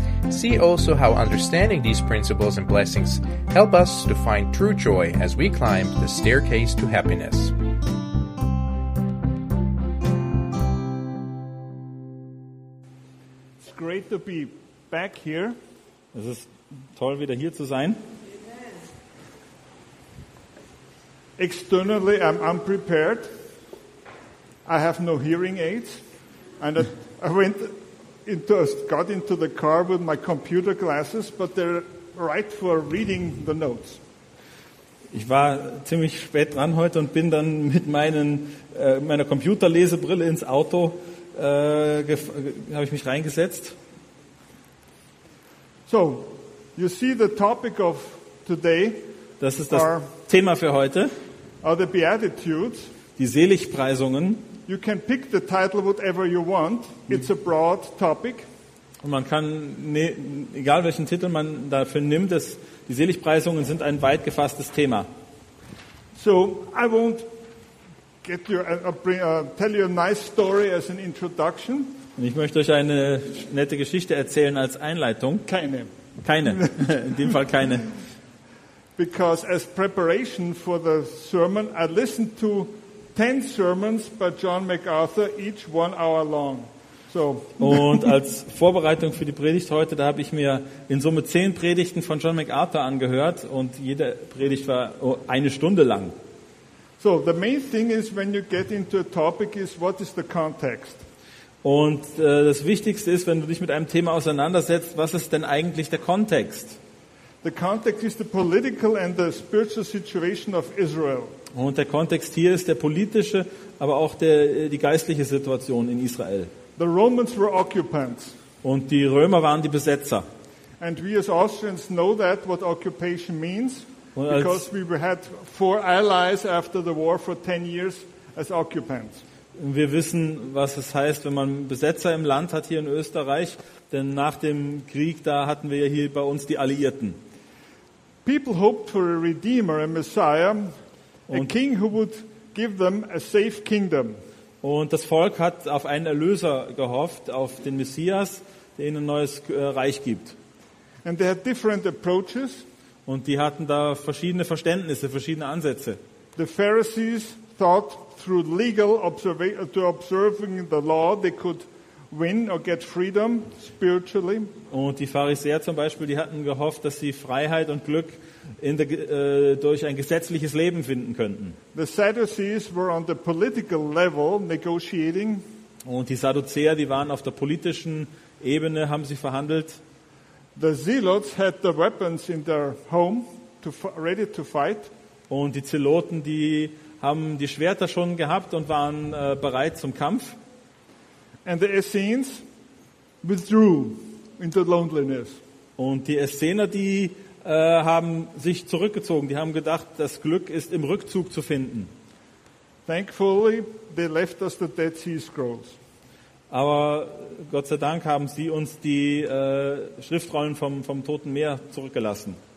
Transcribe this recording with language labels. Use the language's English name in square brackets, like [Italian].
[English] See also how understanding these principles and blessings help us to find true joy as we climb the staircase to happiness. It's great to be back here. [German] Es ist toll, wieder hier zu sein. [English] Externally, I'm unprepared. I have no hearing aids. And I got into the car with my computer glasses, but they're right for reading the notes. [German] Ich war ziemlich spät dran heute und bin dann mit meiner Computerlesebrille ins Auto habe ich mich reingesetzt. [English] So, you see the topic of today. [German] Das ist das Thema für heute. [English] Are the Beatitudes. [German] Die Seligpreisungen. [English] You can pick the title whatever you want. It's a broad topic. [German] Und man kann, egal welchen Titel man dafür nimmt, die Seligpreisungen sind ein weit gefasstes Thema. [English] So, I won't tell you a nice story as an introduction. [German] Und ich möchte euch eine nette Geschichte erzählen als Einleitung. Keine. Keine. In dem Fall keine. [English] Because as preparation for the sermon, I listened to 10 sermons by John MacArthur, each 1 hour long. So. [German] Und als Vorbereitung für die Predigt heute, da habe ich mir in Summe 10 Predigten von John MacArthur angehört und jede Predigt war eine Stunde lang. [English] So, the main thing is when you get into a topic is what is the context? [German] Und das Wichtigste ist, wenn du dich mit einem Thema auseinandersetzt, was ist denn eigentlich der Kontext? [English] The context is the political and the spiritual situation of Israel. [German] Und der Kontext hier ist der politische, aber auch die geistliche Situation in Israel. [English] The Romans were occupants. [German] Und die Römer waren die Besetzer. [English] And we as Austrians know that what occupation means, because we had 4 allies after the war for 10 years as occupants. [German] Wir wissen, was es heißt, wenn man Besetzer im Land hat hier in Österreich, denn nach dem Krieg, da hatten wir ja hier bei uns die Alliierten. [English] People hoped for a redeemer, a Messiah. Und, a king who would give them a safe kingdom. [German] Und das Volk hat auf einen Erlöser gehofft, auf den Messias, der ihnen ein neues Reich gibt. [English] And they had different approaches. [German] Und die hatten da verschiedene Verständnisse, verschiedene Ansätze. [English] The Pharisees thought through legal observing the law they could win or get freedom spiritually. [German] Und die Pharisäer zum Beispiel, die hatten gehofft, dass sie Freiheit und Glück durch ein gesetzliches Leben finden könnten. [English] The Sadducees were on the political level negotiating. [German] Und die Sadduzäer, die waren auf der politischen Ebene, haben sie verhandelt. [English] The Zealots had the weapons in their home ready to fight. [German] Und die Zeloten, die haben die Schwerter schon gehabt und waren bereit zum Kampf. [English] And the Essenes withdrew into loneliness. [German] Und die Essener, die haben sich zurückgezogen. Die haben gedacht, das Glück ist im Rückzug zu finden. [English] Thankfully, they left us the Dead Sea Scrolls. [German] Aber Gott sei Dank haben sie uns die Schriftrollen vom Toten Meer zurückgelassen.